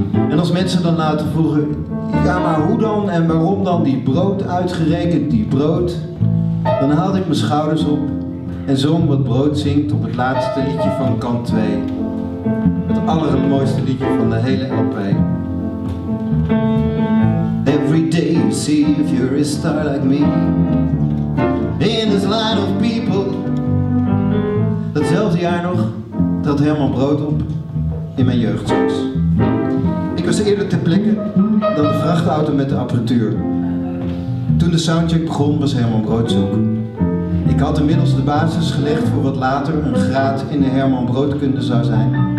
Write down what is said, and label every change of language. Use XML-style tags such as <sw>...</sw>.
<nl>En als mensen dan later vroegen: ja, maar hoe dan en waarom dan die Brood uitgerekend, die Brood? Dan haalde ik mijn schouders op en zong wat Brood zingt op het laatste liedje van kant 2. Het allermooiste liedje van de hele Elpee.</nl> <en>Every day you see if you're a star like me. In this line of people.</en> <nl>Datzelfde jaar nog trad Herman Brood op in mijn jeugdshows. Ik was eerder ter plekke dan de vrachtauto met de apparatuur. Toen de soundcheck begon, was Herman Brood zoek. Ik had inmiddels de basis gelegd voor wat later een graad in de Herman Broodkunde zou zijn.</nl>